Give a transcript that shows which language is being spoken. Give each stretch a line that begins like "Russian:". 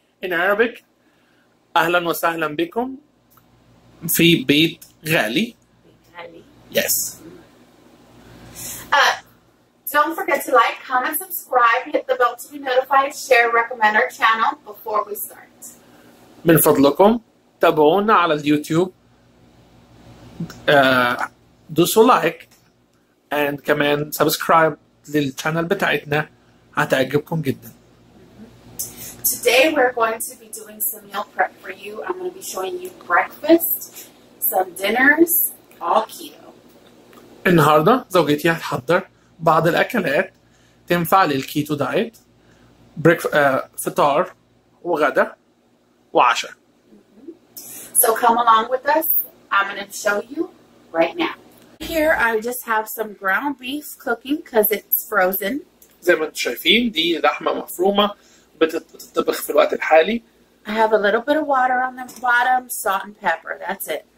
English: In Arabic,
Arabic: اهلا وسهلا بكم في بيت غالي.
English: Yes. Don't forget to like, comment, subscribe, hit the bell to be notified, share, recommend our channel before we start.
Arabic: من فضلكم تابعونا على اليوتيوب. دوسوا لايك and كمان سبسكرايب للشانل بتاعتنا هتعجبكم جدا.
English: Today we're going to be doing some meal prep for you. I'm going to be showing you breakfast, some dinners, all keto.
Arabic: النهاردة زوجتي هتحضر بعض الأكلات تنفع للكيتو دايت, فطار وغدا وعشاء.
English: So come along with us. I'm going to show you right now. Here I just have some ground beef cooking because it's frozen.
Arabic: زي ما انتم شايفين دي لحمة مفرومة بتطبخ في الوقت الحالي.
English: I have a little bit of water on the bottom, salt and pepper, that's it.